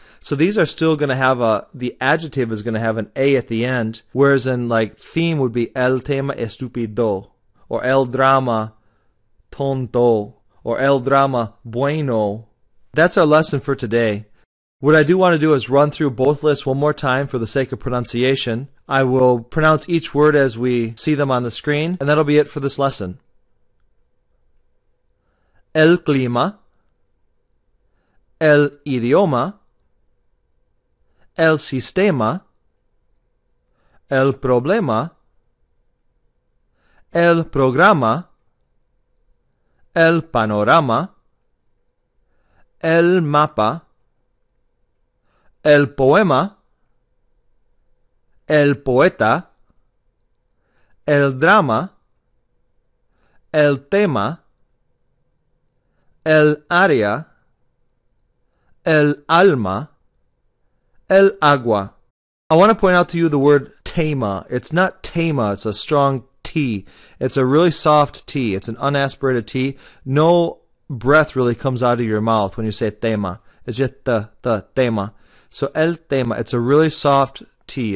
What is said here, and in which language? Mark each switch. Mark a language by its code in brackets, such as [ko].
[en] So these are still going to have the adjective is going to have an A at the end, whereas in, like, theme would be [es] el tema estúpido, [en] or [es] el drama tonto, [en] or [es] el drama bueno. [en] That's our lesson for today. What I do want to do is run through both lists one more time for the sake of pronunciation. I will pronounce each word as we see them on the screen, and that'll be it for this lesson. [es] El clima, el idioma, el sistema, el problema, el programa, el panorama, el mapa, el poema, el poeta, el drama, el tema, el área, el alma, el agua. [en] I want to point out to you the word tema. It's not tema, it's a strong T. It's a really soft T. It's an unaspirated T. No breath really comes out of your mouth when you say tema. It's just the tema. So el tema, it's a really soft T.